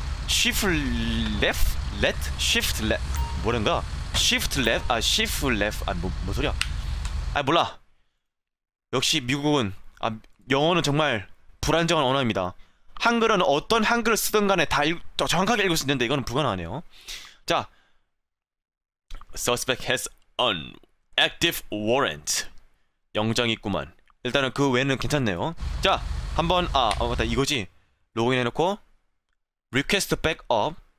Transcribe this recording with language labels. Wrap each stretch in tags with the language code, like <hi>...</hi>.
<en>Shift left? Let? Shift left?</en> <ko>뭐랜가?</ko> <en>Shift left?</en> <ko>아, Shift left? 아, 뭐 소리야? 아, 몰라. 역시 미국은, 아, 영어는 정말 불안정한 언어입니다. 한글은 어떤 한글을 쓰든 간에 다 정확하게 읽을 수 있는데 이건 불가능하네요. 자,</ko> <en>Suspect has an active warrant.</en> <ko>영장이 있구만. 일단은 그 외에는 괜찮네요. 자, 한번, 아, 맞다, 이거지. 로그인 해놓고</ko> <en>request backup.</en>